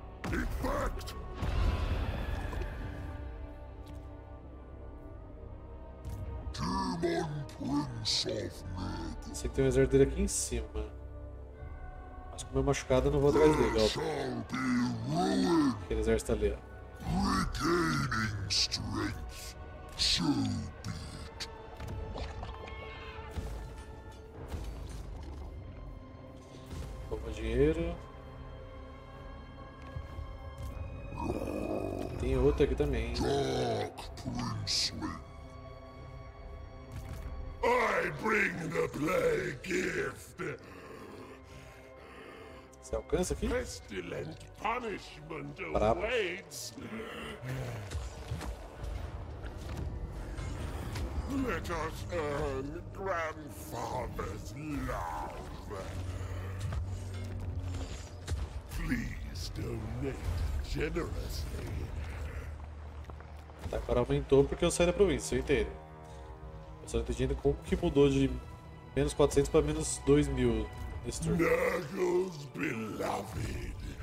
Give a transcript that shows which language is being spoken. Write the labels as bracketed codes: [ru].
[en] Effect. Demon Prince of Me. [pt] Sei que tem um exército dele aqui em cima. Mas com o meu machucado eu não vou atrás dele, ó. Aquele exército ali, ó. [en] Regaining strength, so be it. [pt] Toma dinheiro. Tem outro aqui também. Dark Prince. [en] I bring the play gift. [pt] Você alcança aqui? [en] Pestilent punishment awaits. Let us earn grandfather's love. Please donate generously. [pt] Tá, agora aumentou porque eu saí da província, eu entendo. Só não entendi como que mudou de menos 400 para menos 2.000 nesse turno. [en] Nurgle's beloved.